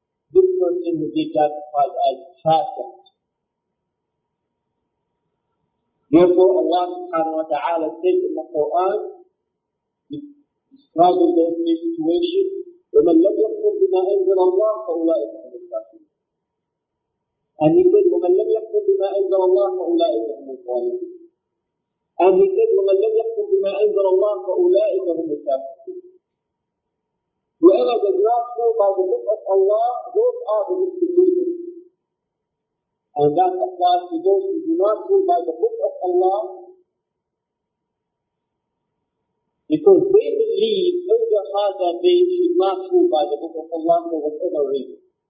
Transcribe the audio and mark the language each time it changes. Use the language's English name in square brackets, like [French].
[English] This person will be classified as fasik. Therefore, Allah subhanahu wa ta'ala says in the Quran, describing those situations, [Arabic] وَمَنْ لَمْ يَحْكُمْ بِمَا أَنْزَلَ اللَّهُ فَأُولَٰئِكَ هُمُ الْكَافِرُونَ. [English] And he said, [Arabic] وَمَنْ لَمْ يَحْكُمْ بِمَا أَنْزَلَ اللَّهُ فَأُولَٰئِكَ هُمُ الظَّالِمُونَ. [English] And he said, [Arabic] وَمَنْ لَمْ يَحْكُمْ بِمَا أَنْزَلَ اللَّهُ فَأُولَٰئِكَ هُمُ الْكَافِرُونَ. [English] Whoever does not rule by the book of Allah, those are the disbelievers. And that applies to those who do not rule by the book of Allah, because they believe in their heart that they should not rule by the book of Allah for whatever reason.